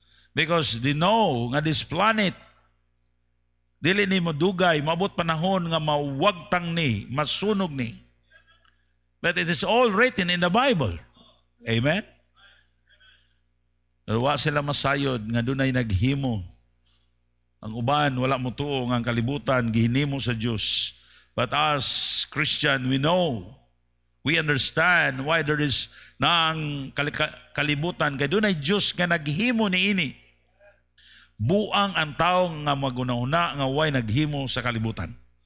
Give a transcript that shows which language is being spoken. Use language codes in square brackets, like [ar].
[en] Because they know [ceb] nga this planet, dili ni madugay, mabot panahon nga mawagtang ni, masunog ni. [en] But it is all written in the Bible. Amen? [ceb] Wala sila masayod nga dunay naghimo. Ang uban, wala mo tuo nga kalibutan, gihinimo sa Diyos. [en] But as Christian, we know, we understand why there is [ceb] nang kalibutan. Kaya dunay Diyos nga naghimo ni ini. Buang ang tao nga magunauna nga way naghimo sa kalibutan.